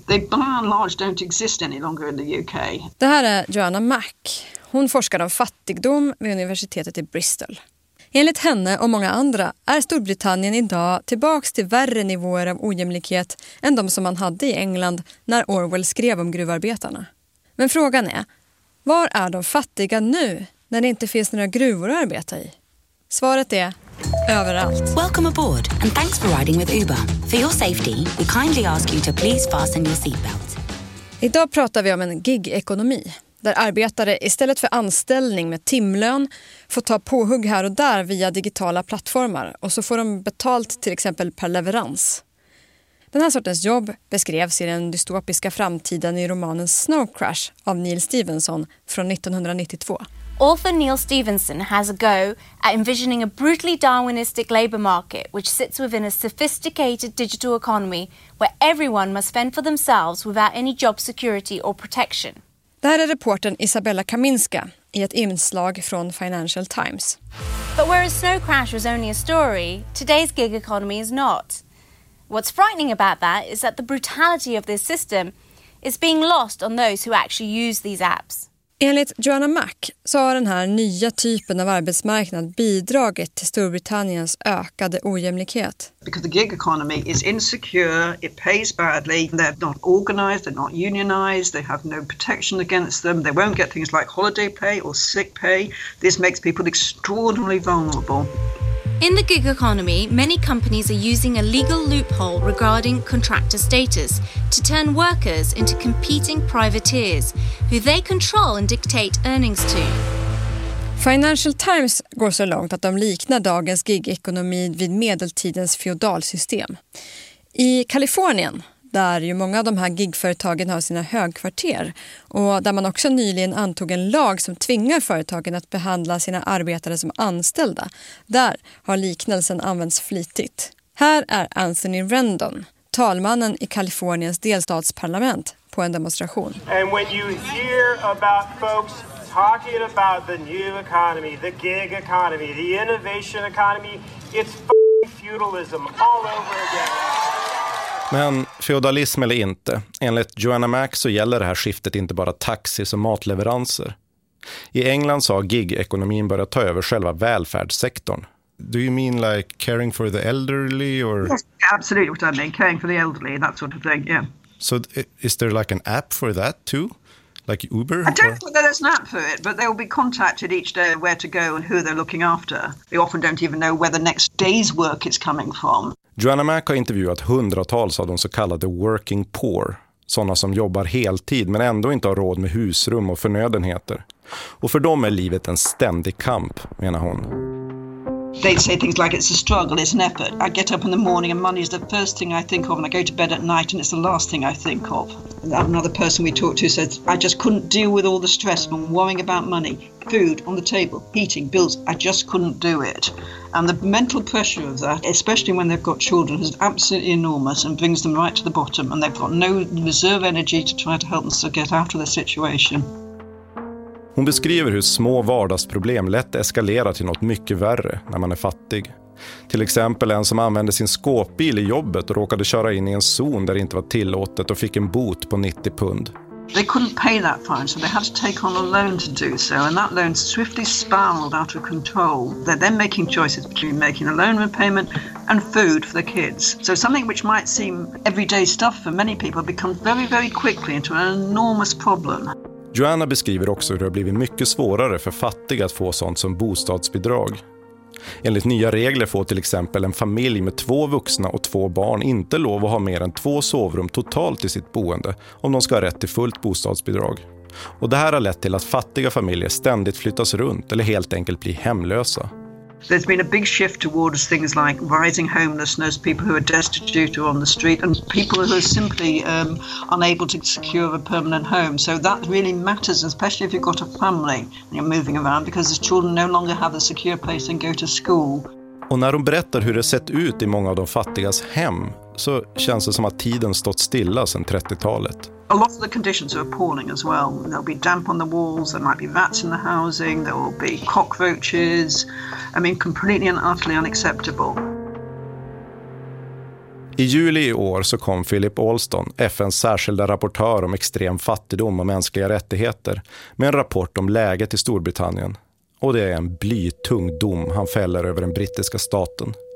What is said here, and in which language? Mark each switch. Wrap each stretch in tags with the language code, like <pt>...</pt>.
<en>They by and large don't exist any longer in the UK.</en> <sv>Det här är Joanna Mack. Hon forskar om fattigdom vid universitetet i Bristol. Enligt henne och många andra är Storbritannien idag tillbaks till värre nivåer av ojämlikhet än de som man hade i England när Orwell skrev om gruvarbetarna. Men frågan är, var är de fattiga nu när det inte finns några gruvor att arbeta i? Svaret är överallt.</sv> <en>Welcome aboard and thanks for riding with Uber. For your safety, we kindly ask you to please fasten your seatbelt.</en> <sv>Idag pratar vi om en gig-ekonomi där arbetare istället för anställning med timlön får ta påhugg här och där via digitala plattformar och så får de betalt till exempel per leverans. Den här sortens jobb beskrevs i den dystopiska framtiden i romanen Snow Crash av Neal Stephenson från 1992.</sv> <en>Author Neal Stephenson has a go at envisioning a brutally Darwinistic labor market which sits within a sophisticated digital economy where everyone must fend for themselves without any job security or protection.</en> <sv>Det här är reporten Isabella Kaminska i ett inslag från Financial Times.</sv> <en>But whereas Snow Crash was only a story, today's gig economy is not. What's frightening about that is that the brutality of this system is being lost on those who actually use these apps.</en> <sv>Enligt Joanna Mack så har den här nya typen av arbetsmarknad bidragit till Storbritanniens ökade ojämlikhet.</sv> <en>Because the gig economy is insecure, it pays badly, they're not organized, they're not unionized, they have no protection against them, they won't get things like holiday pay or sick pay. This makes people extraordinarily vulnerable. In the gig economy, many companies are using a legal loophole regarding contractor status to turn workers into competing privateers who they control and dictate earnings to.</en> <sv>Financial Times går så långt att de liknar dagens gig-ekonomi vid medeltidens feodalsystem. I Kalifornien, där ju många av de här gigföretagen har sina högkvarter och där man också nyligen antog en lag som tvingar företagen att behandla sina arbetare som anställda, där har liknelsen använts flitigt. Här är Anthony Rendon, talmannen i Kaliforniens delstatsparlament, på en demonstration.</sv> <en>And when you hear about folks talking about the new economy, the gig economy, the innovation economy, it's f***ing feudalism all over again.</en> <sv>Men feodalism eller inte, enligt Joanna Mack så gäller det här skiftet inte bara taxis och matleveranser. I England så har gig-ekonomin börjat ta över själva välfärdssektorn.</sv> <en>Do you mean like caring for the elderly or? Yes, absolutely what I mean, caring for the elderly, that sort of thing, yeah. So is there like an app for that too? Like Uber? I don't think there's an app for it, but they'll be contacted each day where to go and who they're looking after. They often don't even know where the next day's work is coming from.</en> <sv>Joanna Mack har intervjuat hundratals av de så kallade working poor, sådana som jobbar heltid men ändå inte har råd med husrum och förnödenheter. Och för dem är livet en ständig kamp, menar hon.</sv> <en>They say things like it's a struggle, it's an effort. I get up in the morning and money is the first thing I think of, and I go to bed at night and it's the last thing I think of. Another person we talked to said, I just couldn't deal with all the stress from worrying about money, food on the table, heating, bills. I just couldn't do it. And the mental pressure of that, especially when they've got children, is absolutely enormous and brings them right to the bottom, and they've got no reserve energy to try to help them to get out of the situation.</en> <sv>Hon beskriver hur små vardagsproblem lätt eskalerar till något mycket värre när man är fattig. Till exempel en som använde sin skåpbil i jobbet och råkade köra in i en zon där det inte var tillåtet och fick en bot på 90 pund.</sv> <en>They couldn't pay that fine, so they had to take on a loan to do so, and that loan swiftly spiraled out of control. They're then making choices between making a loan repayment and food for the kids. So something which might seem everyday stuff for many people becomes very, very quickly into an enormous problem.</en> <sv>Joanna beskriver också hur det har blivit mycket svårare för fattiga att få sånt som bostadsbidrag. Enligt nya regler får till exempel en familj med två vuxna och två barn inte lov att ha mer än två sovrum totalt i sitt boende om de ska ha rätt till fullt bostadsbidrag. Och det här har lett till att fattiga familjer ständigt flyttas runt eller helt enkelt blir hemlösa.</sv> <en>There's been a big shift towards things like rising homelessness, people who are destitute or on the street, and people who are simply unable to secure a permanent home. So that really matters, especially if you've got a family and you're moving around, because the children no longer have a secure place and go to school.</en> <sv>Och när hon berättar hur det sett ut i många av de fattigas hem så känns det som att tiden stått stilla sedan 30-talet.</sv> <en>A lot of the conditions are appalling as well. There'll be damp on the walls, there might be rats in the housing, there will be cockroaches. I mean, completely and utterly unacceptable.</en> <sv>I juli i år så kom Philip Alston, FNs särskilda rapportör om extrem fattigdom och mänskliga rättigheter, med en rapport om läget i Storbritannien. Och det är en blytung dom han fäller över den brittiska staten.</sv>